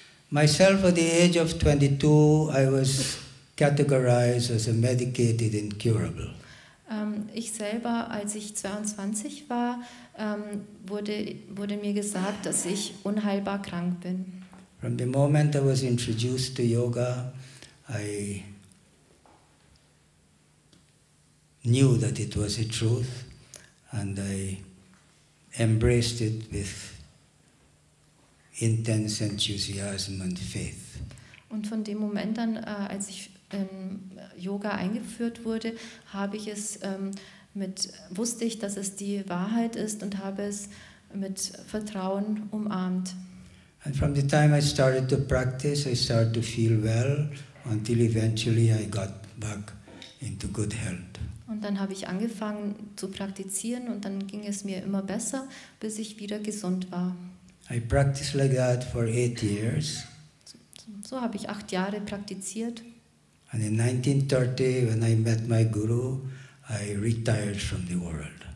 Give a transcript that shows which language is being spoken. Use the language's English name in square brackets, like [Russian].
[English] Myself at the age of 22, I was categorized as a medicated incurable. [German] Ich selber, als ich 22 war, wurde mir gesagt, dass ich unheilbar krank bin. [English] From the moment I was introduced to yoga, I knew that it was the truth and I embraced it with intense enthusiasm and faith. [German] Und von dem Moment an, als ich in Yoga eingeführt wurde, habe ich es wusste ich, dass es die Wahrheit ist und habe es mit Vertrauen umarmt. [English] And from the time I started to practice, I started to feel well, until eventually I got back into good health. [German] Und dann habe ich angefangen zu praktizieren und dann ging es mir immer besser, bis ich wieder gesund war. [English] I practiced like that for 8 years. [German] So habe ich 8 Jahre praktiziert. [English] And in 1930, when I met my guru, I retired from the world.